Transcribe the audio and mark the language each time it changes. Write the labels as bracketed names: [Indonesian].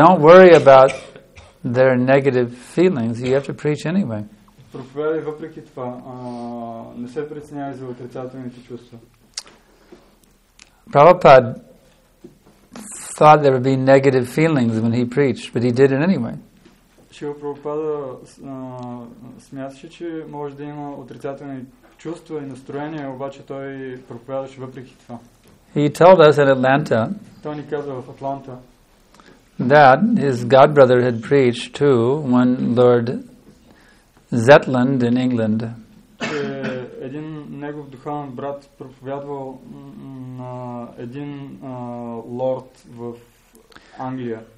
[English] Don't worry about their negative feelings. You have to preach anyway. [Bulgarian] Проповядай въпреки това. Не се преценявай за отрицателните чувства. [English] Prabhupada thought there would be negative feelings when he preached, but he did it anyway. [Bulgarian] Шрила Прабхупада смяташе, че може да има отрицателни чувства и настроения, обаче той проповядаше въпреки това. [English] He told us in Atlanta, [Bulgarian] той ни каза в Атланта, [English] that his godbrother had preached to one Lord Zetland in England. [Bulgarian] Един негов духовен брат проповядвал на един лорд в Англия.